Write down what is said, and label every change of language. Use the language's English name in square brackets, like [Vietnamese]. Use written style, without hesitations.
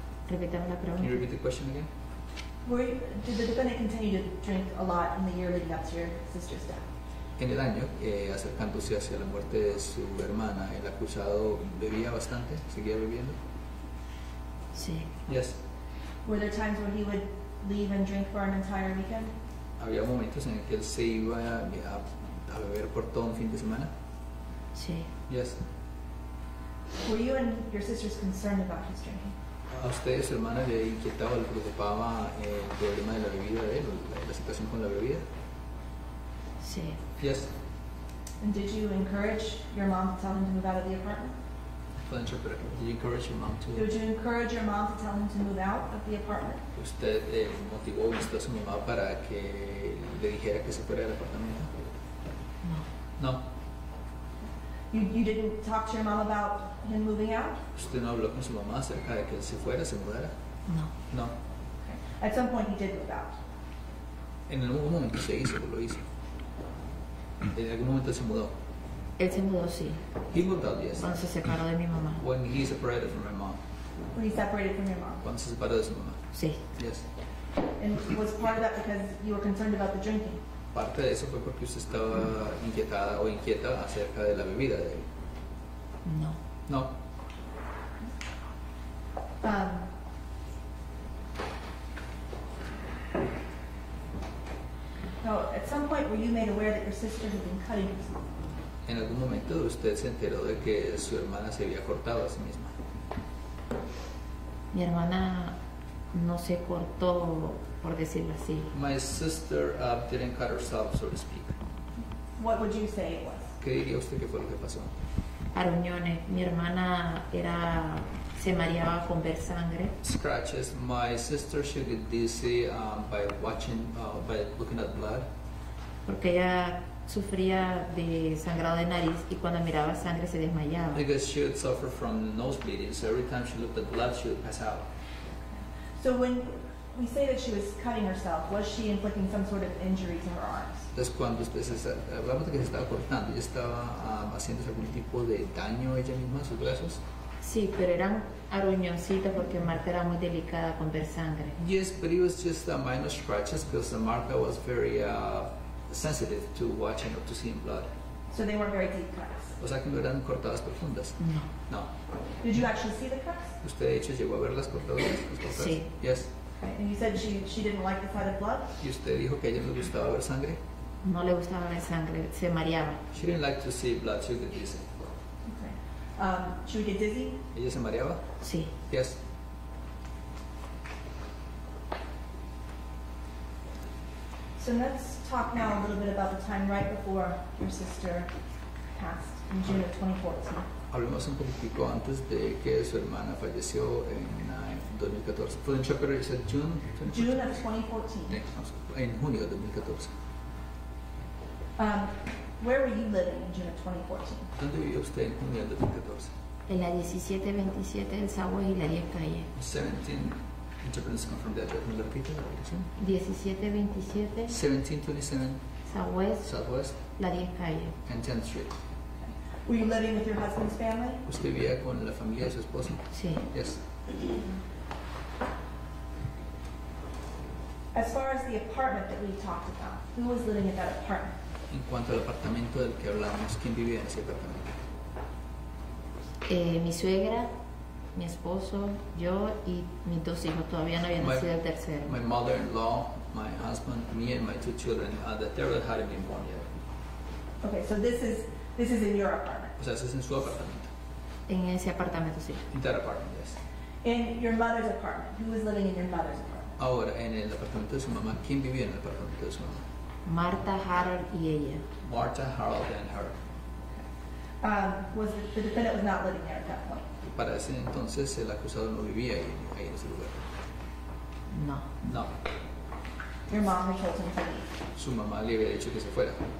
[Spanish] Repítame la pregunta. [English] Can you repeat the question again? Did the defendant continue to drink a lot in the year leading up to your sister's death? [Spanish] En el año, acercándose hacia la muerte de su hermana, el acusado bebía bastante, seguía bebiendo. Sí. [English] Yes. Were there times where he would leave and drink for an entire weekend? [Spanish] Había momentos en el que él se iba a beber por todo un fin de semana. Sí. [English] Yes. Were you and your sisters concerned about his drinking? [Spanish] ¿A ustedes, hermana, le inquietaba, le preocupaba el problema de la bebida de él, la situación con la bebida? Sí. [English] Yes. And did you encourage your mom to tell him to move out of the apartment? For interpreter, did you encourage your mom to? Did you encourage your mom to tell him to move out of the apartment? [Spanish] ¿Usted motivó a su mamá para que le dijera que se fuera del apartamento? No. [English] No. You didn't talk to your mom about him moving out? [Spanish] ¿Usted no habló con su mamá acerca de que se fuera, se mudara? No. [English] No. Okay. At some point he did move out. [Spanish] En algún momento se hizo, lo hizo. En algún momento se mudó. Él se mudó, sí. [English] He moved out, yes. [Spanish] Cuando se separó de mi mamá. [English] When he separated from my mom. When he separated from your mom. [Spanish] Cuando se separó de su mamá. Sí. [English] Yes. And was part of that because you were concerned about the drinking? [Spanish] Parte de eso fue porque usted estaba inquietada o inquieta acerca de la bebida de él. No. [English] No. So at some point were you made aware that your sister had been cutting herself? [Spanish] En algún momento usted se enteró de que su hermana se había cortado a sí misma. Mi hermana no se cortó, por decirlo así. [English] My sister didn't cut herself, so to speak. What would you say it was? [Spanish] ¿Qué diría usted que fue lo que pasó? Aruñones. Mi hermana era, se mareaba con ver sangre. [English] Scratches. My sister should get dizzy by looking at blood. [Spanish] Porque ella sufría de sangrado de nariz y cuando miraba sangre se desmayaba. [English] Because she would suffer from nose bleeding, so every time she looked at blood, she would pass out. So when we say that she was cutting herself, was she inflicting some sort of injury to her arms? [Spanish] Entonces cuando hablamos de que se estaba cortando, ¿ella estaba haciendo algún tipo de daño ella misma a sus brazos? Sí, pero eran aruñoncitas porque Marta era muy delicada con ver sangre. [English] Yes, but it was just a minor scratches because Marta was very sensitive to watching or to seeing blood. So they weren't very deep cuts. [Spanish] O sea, que no eran cortadas profundas. No. [English] No. Did you actually see the cuts? [Spanish] ¿Usted de hecho llegó a ver las cortadas? Sí. [English] Yes. And you said she didn't like the sight of blood? [Spanish] ¿Y usted dijo que a ella no le gustaba ver sangre? No le gustaba ver sangre, se mareaba. [English] She didn't like to see blood, she would get dizzy. Okay. She would get dizzy? [Spanish] ¿Ella se mareaba? Sí. [English] Yes. So let's talk now a little bit about the time right before your sister passed in June of 2014. [Spanish] Hablemos un poquitico antes de que su hermana falleció en 2014. ¿Puedo interpretar? ¿Es June? [English] June of 2014. [Spanish] En junio de 2014. [English] Where were you living in June of 2014? [Spanish] ¿Dónde vivió usted en junio de 2014? En la 1727 del Subway y la 10 calle. 17. [English] Interpreter is confirmed that. [Spanish] ¿Me lo repite la dirección? 1727. 1727. [English] Southwest. Southwest. [Spanish] La 10 calle. [English] And 10th Street. Were you living with your husband's family? [Spanish] ¿Usted vivía con la familia de su esposo? Sí. [English] Yes. As far as the apartment that we talked about, who was living in that apartment? [Spanish] En cuanto al apartamento del que hablamos, ¿quién vivía en ese apartamento? Mi suegra, mi esposo, yo y mis dos hijos. Todavía no había nacido el tercero. [English] My mother-in-law, my husband, me and my two children, the third hadn't been born yet. Okay, so this is in your apartment. [Spanish] O sea, ¿eso es en su apartamento? En ese apartamento, sí. [English] In that apartment, yes. In your mother's apartment. Who was living in your mother's apartment? [Spanish] Ahora, en el apartamento de su mamá, ¿quién vivía en el apartamento de su mamá? Marta, Harold y ella. [English] Marta, Harold and her. The defendant was not living there at that point. [Spanish] Para ese entonces, el acusado no vivía ahí en ese lugar. No. [English] No. Your mom had told him to leave. [Spanish] Su mamá le había dicho que se fuera.